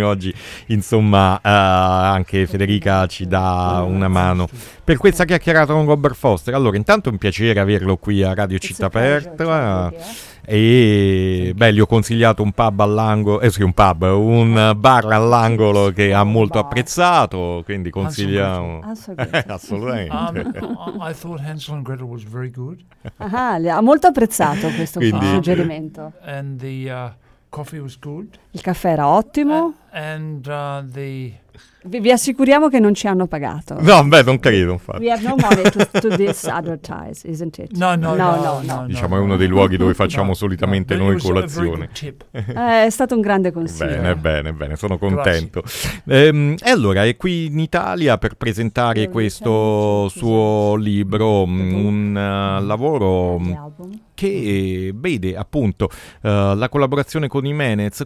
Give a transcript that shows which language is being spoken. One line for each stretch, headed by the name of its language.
Italian: Oggi, insomma, anche Federica ci dà una mano per questa chiacchierata con Robert Foster. Allora, intanto è un piacere averlo qui a Radio Città Aperta. E beh, gli ho consigliato un pub all'angolo, un bar all'angolo, che ha molto apprezzato, quindi consigliamo. Assolutamente.
English: I thought Hansel and Gretel was very good.
Italian: Ha molto apprezzato questo suggerimento.
English: And the coffee was good.
Italian: Il caffè era ottimo.
English: And
Italian: vi assicuriamo che non ci hanno pagato. No, beh, non credo, infatti.
English: We have no money to this advertise, isn't it?
Italian: No. Diciamo, è uno dei luoghi dove facciamo solitamente noi colazione. È stato un grande consiglio. Bene, sono contento. E allora, è qui in Italia per presentare questo suo libro, un lavoro che vede appunto la collaborazione con i Menez.